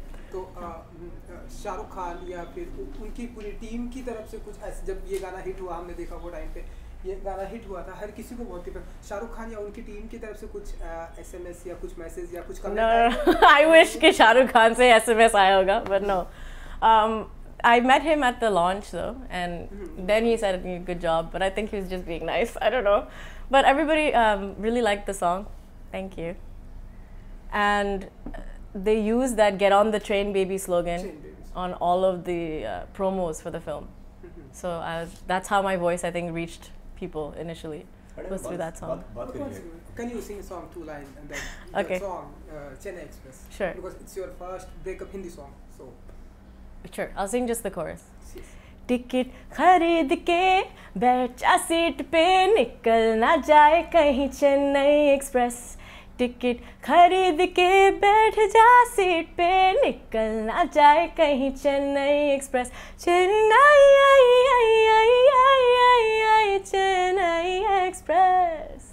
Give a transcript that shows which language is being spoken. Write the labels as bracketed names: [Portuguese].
[Hindi] तो शाहरुख खान या फिर उनकी पूरी टीम की तरफ से कुछ ऐसे, जब ये गाना हिट हुआ, हमने देखा वो टाइम पे ये गाना हिट हुआ था, हर किसी को बहुत ही पसंद. शाहरुख खान या उनकी टीम की तरफ से कुछ एसएमएस या कुछ मैसेज या कुछ कमेंट? [English] I wish [Hindi] कि शाहरुख खान से एसएमएस आया होगा, [English] But no. I met him at the launch though, and then he said a good job, but I think he was just being nice, I don't know. But everybody really liked the song, thank you. And they use that get on the train baby slogan on all of the promos for the film. So that's how my voice I think reached people initially, was through that song. Can you sing a song, two lines, and then the okay. song Chennai Express? Sure, because it's your first breakup Hindi song, so sure, I'll sing just the chorus. [Hindi] Ticket खरीद के बैठा seat पे, निकल ना जाए कहीं Chennai express. Ticket खरीद के बैठ जा सीट पे, निकल ना जाए कहीं चेन्नई एक्सप्रेस. चेन्नई आई आई आई आई आई आई चेन्नई एक्सप्रेस.